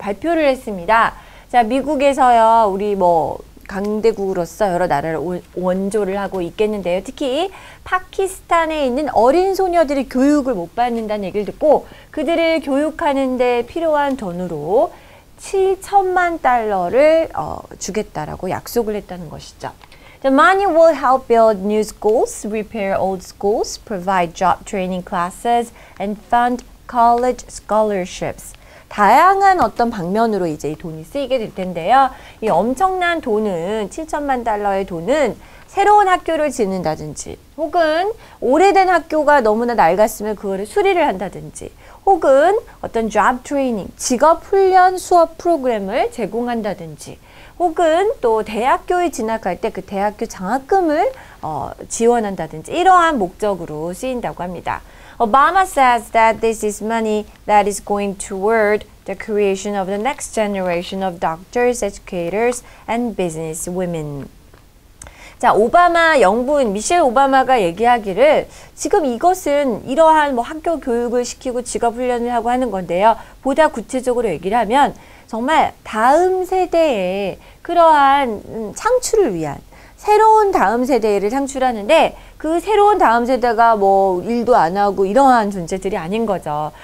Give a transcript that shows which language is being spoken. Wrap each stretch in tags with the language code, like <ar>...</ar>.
<ko>발표를 했습니다. 자, 미국에서요, 우리 뭐 강대국으로서 여러 나라를 원조를 하고 있겠는데요. 특히 파키스탄에 있는 어린 소녀들이 교육을 못 받는다는 얘기를 듣고 그들을 교육하는 데 필요한 돈으로 7천만 달러를 주겠다라고 약속을 했다는 것이죠.</ko> <en>The money will help build new schools, repair old schools, provide job training classes, and fund college scholarships.</en> <ko>다양한 어떤 방면으로 이제 이 돈이 쓰이게 될 텐데요. 이 엄청난 돈은, 7천만 달러의 돈은 새로운 학교를 짓는다든지, 혹은 오래된 학교가 너무나 낡았으면 그거를 수리를 한다든지, 혹은 어떤 job training, 직업 훈련 수업 프로그램을 제공한다든지, 혹은 또 대학교에 진학할 때 그 대학교 장학금을 지원한다든지 이러한 목적으로 쓰인다고 합니다.</ko> <en>Obama says that this is money that is going toward the creation of the next generation of doctors, educators, and business women.</en> <ko>자, 오바마 영부인 미셸 오바마가 얘기하기를 지금 이것은 이러한 뭐 학교 교육을 시키고 직업 훈련을 하고 하는 건데요. 보다 구체적으로 얘기를 하면 정말 다음 세대의 그러한 창출을 위한 새로운 다음 세대를 창출하는데 그 새로운 다음 세대가 뭐 일도 안 하고 이러한 존재들이 아닌 거죠.</ko>